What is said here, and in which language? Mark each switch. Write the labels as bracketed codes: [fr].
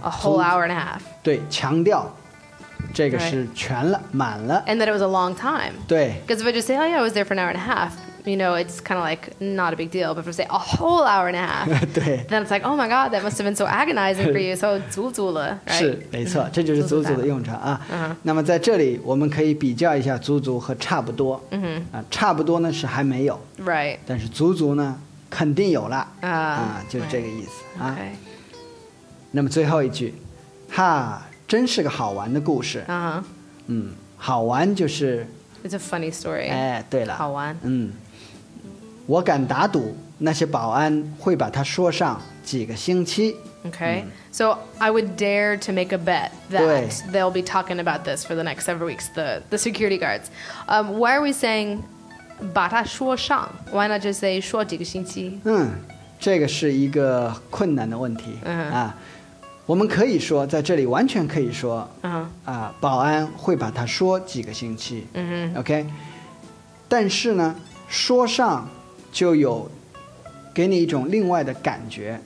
[en] A whole hour and a half. [zh] 对，强调这个是全了、right. 满了。 [en] And that it was a long time. [zh] 对。 [en] Because if I just say, oh yeah, I was there for an hour and a half, you know, it's kind of like not a big deal. But if I say a whole hour and a half, [zh] 对。 [en] Then it's like, oh my God, that must have been so agonizing for you. So 足足了、right? [zh] 是，没错，这就是足足的用场啊。 [en] Uh-huh. [zh] 那么在这里我们可以比较一下足足和差不多。 Mm-hmm. 啊、差不多呢是还没有。 [en] Right. [zh] 但是足足呢肯定有了。啊、就是这个意思、 [en] right. 啊。 Okay. [zh] 那么最后一句，哈，真是个好玩的故事。 [en] Uh-huh. [zh] 嗯，好玩就是。 [en] It's a funny story. [zh] 哎，对了。好玩。嗯。我敢打赌那些保安会把它说上几个星期。 [en] Okay,、so I would dare to make a bet that they'll be talking about this for the next several weeks, the security guards.、why are we saying 把它说上? Why not just say [zh] 说几个星期? 这个是一个困难的问题、 [en] uh-huh. [zh] 啊、我们可以说在这里完全可以说、 [en] uh-huh. [zh] 啊、保安会把它说几个星期、 [en] uh-huh. [zh] Okay, 但是呢说上就有给你一种另外的感觉、